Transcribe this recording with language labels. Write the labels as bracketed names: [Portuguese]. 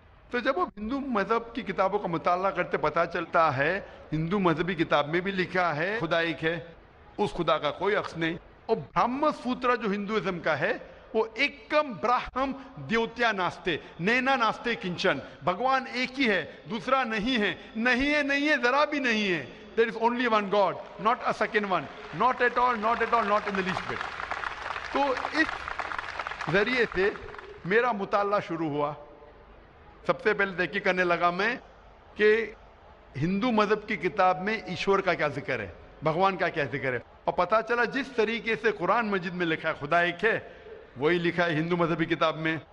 [Urdu] تو جب آپ ہندو مذہب کی کتابوں کا مطالعہ کرتے پتا چلتا ہے ہندو مذہبی کتاب میں بھی لکھا ہے خدا ایک ہے، اس خدا کا کوئی اکس نہیں. اور برہم سوترا جو ہندوازم کا ہے وہ [Sanskrit] ایکم براہم دیوتیا ناستے نینا ناستے کنچن، [Urdu] بھگوان ایک ہی ہے دوسرا نہیں ہے، نہیں ہے نہیں ہے ذرا بھی نہیں ہے. [English] There is only one God, not a second one, not at all, not in the least bit. [Urdu] تو اس ذریعے سے میرا مطالعہ شروع ہوا. سب سے پہلے دیکھی کرنے لگا میں کہ ہندو مذہب کی کتاب میں ایشور کا کیا ذکر ہے، بھگوان کا کیا ذکر ہے. اور پتا چلا جس طریقے سے قرآن مجید میں لکھا ہے خدا ایک ہے، وہی لکھا ہے ہندو مذہبی کتاب میں.